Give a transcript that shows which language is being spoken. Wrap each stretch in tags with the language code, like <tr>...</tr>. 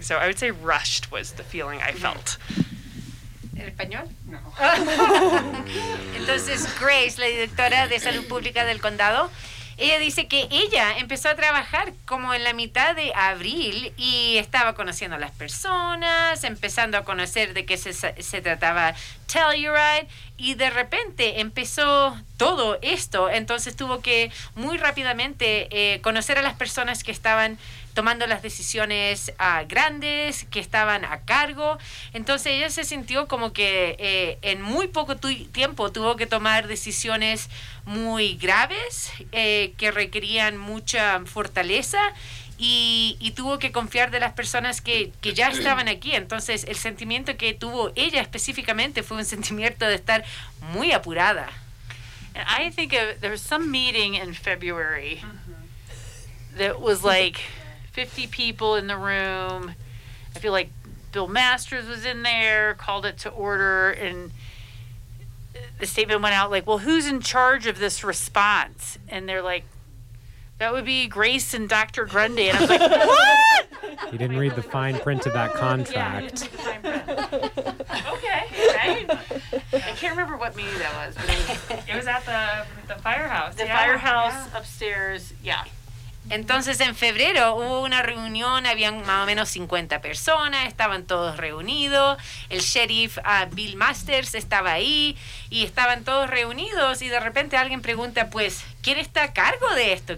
<en>So I would say rushed was the feeling I felt.</en> <es>¿En español? No. Entonces, Grace, la directora de Salud Pública del Condado, ella dice que ella empezó a trabajar como en la mitad de abril y estaba conociendo a las personas, empezando a conocer de qué se trataba Telluride, y de repente empezó todo esto. Entonces tuvo que muy rápidamente conocer a las personas que estaban tomando las decisiones grandes, que estaban a cargo. Entonces ella se sintió como que en muy poco tiempo tuvo que tomar decisiones muy graves, que requerían mucha fortaleza, y tuvo que confiar de las personas que ya estaban aquí. Entonces el sentimiento que tuvo ella específicamente fue un sentimiento de estar muy apurada.</es> <en>And I think there was some meeting in February that was like 50 people in the room. I feel like Bill Masters was in there, called it to order, and the statement went out like, well, who's in charge of this response? And they're like, that would be Grace and Dr. Grundy. And I'm like, what? You didn't read the fine print of that contract. Okay. I can't remember what meeting that was, but it was at the firehouse. The firehouse upstairs. Yeah.</en> <es>Entonces en febrero hubo una reunión, habían más o menos 50 personas, estaban todos reunidos, el sheriff Bill Masters estaba ahí y estaban todos reunidos, y de repente alguien pregunta, pues, ¿quién está a cargo de esto?</es>